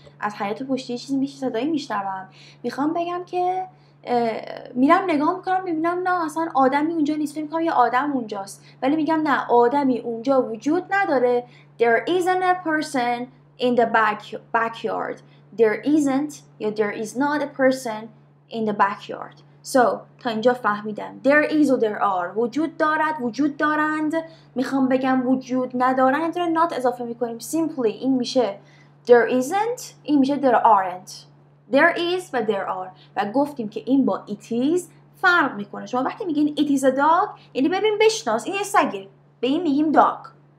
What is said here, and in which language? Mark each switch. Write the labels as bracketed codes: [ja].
[fa] از حیات پشتی چیزی میشه صدایی میشنوم. میخوام بگم که میرم نگاه میکنم میبینم نه اصلا آدمی اونجا نیست، فکر میکنم یه آدم اونجاست، ولی میگم نه آدمی اونجا وجود نداره. [en] There isn't a person in the backyard. There isn't یا there is not a person in the backyard. [fa] So تا اینجا فهمیدم [en] there is و there are، [fa] وجود دارد وجود دارند، میخوام بگم وجود ندارند رو not اضافه میکنیم. [en] Simply [fa] این میشه [en] there isn't، این میشه there aren't. There is و there are. [fa] و گفتیم که این با it is فرق میکنه. شما وقتی میگین [en] it is a dog [fa] یعنی ببین بشناس این یه سگه، به این میگیم dog.